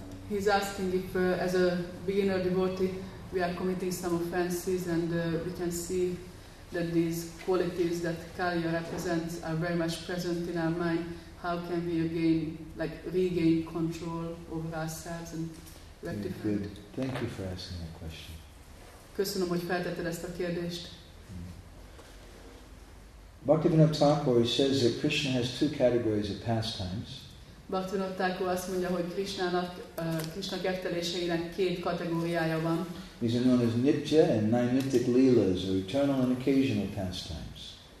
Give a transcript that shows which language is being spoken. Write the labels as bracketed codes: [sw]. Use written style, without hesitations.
[en] He's asking if, as a beginner devotee, we are committing some offenses, and we can see that these qualities that Kaliya represents are very much present in our mind. How can we again, like, regain control over ourselves and rectify? Very good. Thank you for asking that question. [hu] Köszönöm, hogy feltetted ezt a kérdést. [en] Bhaktivinoda Thakur says that Krishna has two categories of pastimes. [hu] Bhaktivinoda Thakur azt mondja, hogy Krishnának, Krishna kerteléseinek két kategóriája van. [en] These are known as Nitya and Naimittika Leelas, or eternal and occasional pastimes.